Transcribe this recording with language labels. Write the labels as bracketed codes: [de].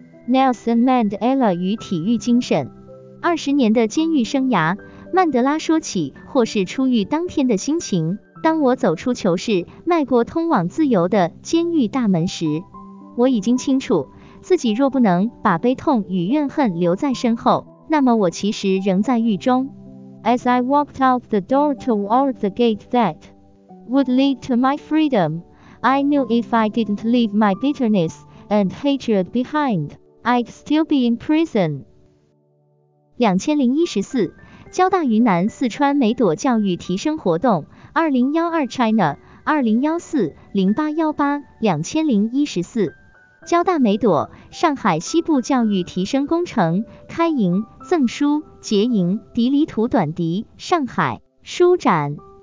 [zh] Nelson Mandela 与体育精神。20年的监狱生涯，曼德拉说起或是出狱当天的心情，当我走出囚室，迈过通往自由的监狱大门时，我已经清楚，自己若不能把悲痛与怨恨留在身后，那么我其实仍在狱中。 [en] As I walked out the door toward the gate that would lead to my freedom, I knew if I didn't leave my bitterness and hatred behind, I'd still be in prison. [zh] 2014交大云南四川梅朵教育提升活动，2012 China 2014-0818 2014交大梅朵上海西部教育提升工程开营赠书结营迪里图短笛上海书展。